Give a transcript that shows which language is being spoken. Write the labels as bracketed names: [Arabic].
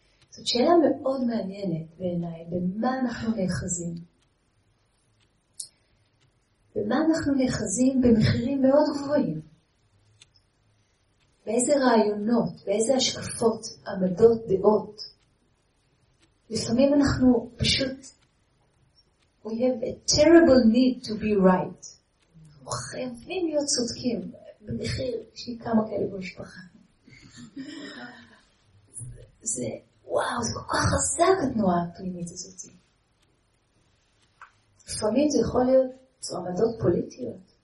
[Hebrew] זאת שאלה מאוד מעניינת בעיניי, במה אנחנו נאחזים. במה אנחנו נאחזים במחירים מאוד גבוהים? באיזה רעיונות, באיזה השקפות, עמדות, דעות? לפעמים אנחנו פשוט, [English] we have a terrible need to be right. [Hebrew] אנחנו חייבים להיות צודקים, במחיר שהיא כמה כאלה במשפחה. זה, וואו, זה כל כך חזק התנועה הפנימית הזאת. לפעמים זה יכול להיות זו עמדות פוליטיות.